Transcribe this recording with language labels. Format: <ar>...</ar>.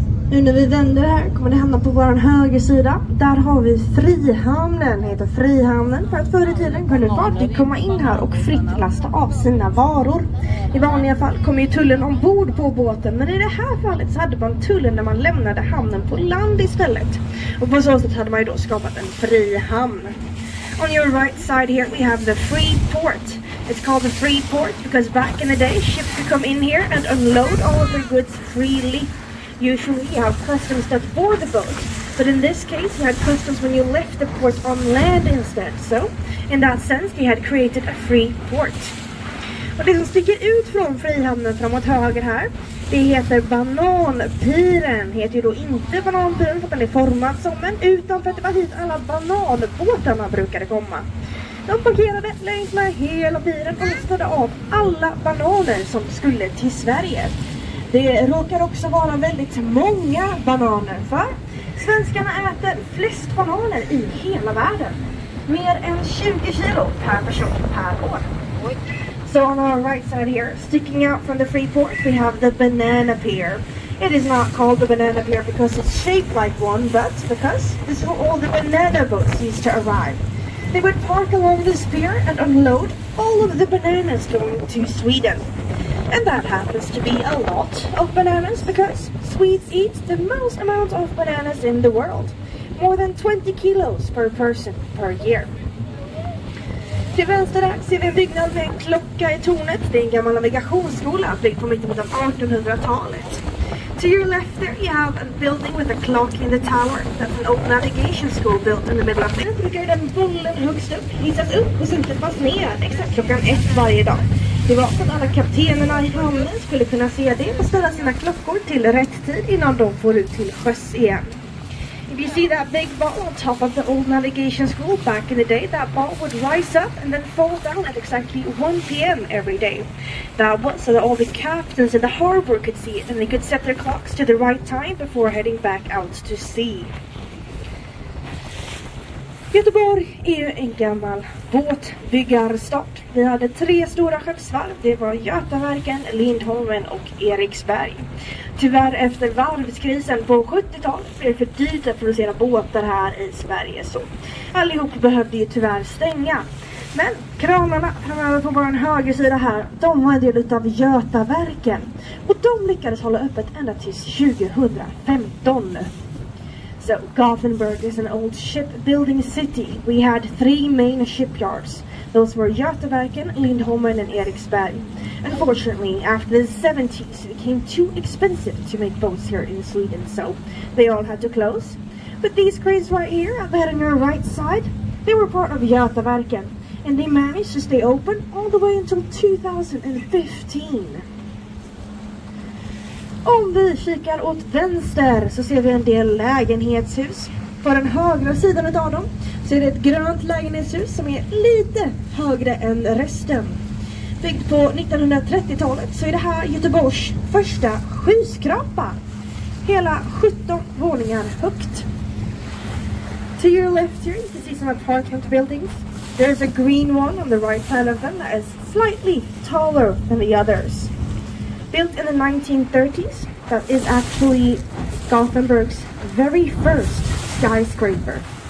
<sv>Nu när vi vänder här kommer det hamna på vår höger sida. Där har vi Frihamnen, heter Frihamnen. För att förr i tiden kunde fartyg komma in här och fritt lasta av sina varor. I vanliga fall kommer ju tullen ombord på båten. Men i det här fallet så hade man tullen när man lämnade hamnen på land istället. Och på så sätt hade man ju då skapat en frihamn.</sv> <en>On your right side here we have the free port. It's called the free port because back in the day ships could come in here and unload all of their goods freely. Usually you have customs that board the boat, but in this case you had customs when you left the port on land instead. So, in that sense, you had created a free port.</en> <sv>Och det som sticker ut från frihamnen framåt höger här, det heter bananpiren. Det heter ju då inte bananpiren för att den är formad som en, utan för att det var hit alla bananbåtarna brukade komma. De parkerade längs med hela piren och listade av alla bananer som skulle till Sverige. Det råkar också vara väldigt många bananer, för svenskarna äter flest bananer i hela världen. Mer än 20 kilo per person per år.</sv> <en>So on our right side here, sticking out from the free port, we have the banana pier. It is not called the banana pier because it's shaped like one, but because this is where all the banana boats used to arrive. They would park along this pier and unload all of the bananas going to Sweden. And that happens to be a lot of bananas because Swedes eat the most amount of bananas in the world. More than 20 kilos per person per year.</en> <sv>Till vänster där ser vi en byggnad med en klocka i tornet. Det är en gammal navigationsskola byggd på mitten av 1800-talet.</sv> <en>To your left there you have a building with a clock in the tower. That's an old navigation school built in the middle of it.</en> <sv>Nu brukar den bullen högst upp hissas upp och syntet fast ner exakt klockan 1 varje dag. Det var så att alla kaptenerna i hamnen skulle kunna se det och ställa sina klockor till rätt tid innan de får ut till sjöss igen.</sv> <en>If you see that big ball on top of the old navigation school back in the day, that ball would rise up and then fall down at exactly 1 p.m. every day. That was so that all the captains in the harbor could see it and they could set their clocks to the right time before heading back out to sea.</en> <sv>Göteborg är ju en gammal båtbyggarstad. Vi hade 3 stora skeppsvarv. Det var Götaverken, Lindholmen och Eriksberg. Tyvärr efter varvskrisen på 70-talet blev det för dyrt att producera båtar här i Sverige. Så allihop behövde ju tyvärr stänga. Men kranarna framöver på vår högersida här, de var en del av Götaverken. Och de lyckades hålla öppet ända tills 2015.</sv> <en>So Gothenburg is an old shipbuilding city. We had 3 main shipyards. Those were Göteverken, Lindholmen and Eriksberg. Unfortunately, after the 70s, it became too expensive to make boats here in Sweden, so they all had to close. But these cranes right here, up ahead on your right side, they were part of Göteverken, and they managed to stay open all the way until 2015.</en> <sv>Om vi kikar åt vänster så ser vi en del lägenhetshus. På den högra sidan av dem så är det ett grönt lägenhetshus som är lite högre än resten. Byggt på 1930-talet så är det här Göteborgs första skyskrapa. Hela 17 våningar högt.</sv> <en>To your left here, you can see some apartment buildings. There's a green one on the right side of them that is slightly taller than the others. Built in the 1930s, that is actually Gothenburg's very first skyscraper.</en>